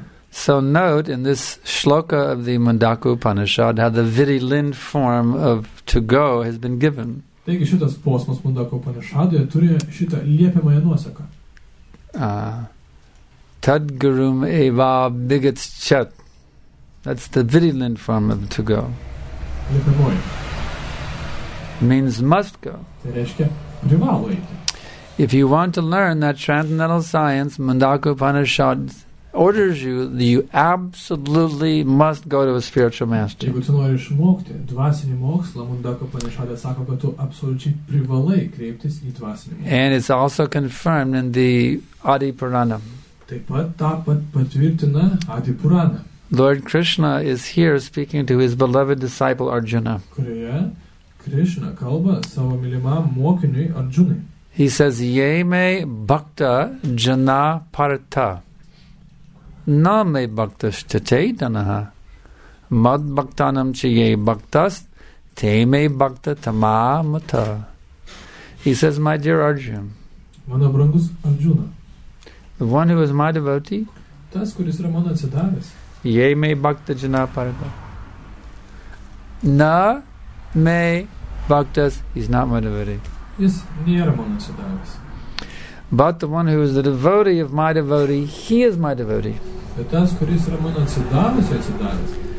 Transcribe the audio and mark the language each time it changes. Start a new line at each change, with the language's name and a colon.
English: So note in this shloka of the Mundaka Upanishad how the vidhilin form of to go has been given.
Lithuanian: Taigi šitas posmas Mundaka Upanishadoje turi šitą liepiamąją nuoseką.
Sanskrit: Tad gurum eva bigat chat.
English: That's the virilin form of to go.
Lithuanian: Liepiamoji.
English: Means must go.
Lithuanian: Tai reiškia privalo eiti.
English: If you want to learn that transcendental science, Mundaka Upanishad orders you that you absolutely must go to a spiritual master.
Lithuanian: Jeigu tu nori išmokti dvasinį mokslą, Mundaka Upanishadas sako, kad tu absoliučiai privalai kreiptis į dvasinį mokslą.
English: And it's also confirmed in the Adi Purana.
Lithuanian: Taip pat tą pat patvirtina Adi Purana.
English: Lord Krishna is here speaking to his beloved disciple Arjuna.
Lithuanian: Kurioje Krishna kalba savo mylimam mokiniui Arjunai.
English: He says,
Sanskrit: Yeme bhakta jana parta. Name bhaktas tate danaha. Mad bhaktanam chaye bhaktas te me bhakta tama mata.
English: He says, my dear Arjun,
Lithuanian: mano brangus Arjuna,
English: the one who is my devotee,
Lithuanian: tas kuris yra mano atsidavęs,
Sanskrit: yeme bhakta jana parta. Na me bhaktas,
English: he's not my devotee.
Lithuanian: Jis nėra mano atsidavęs.
English: But the one who is the devotee of my devotee, he is my devotee.
Lithuanian: Bet tas kuris yra mano atsidavęs, atsidavęs.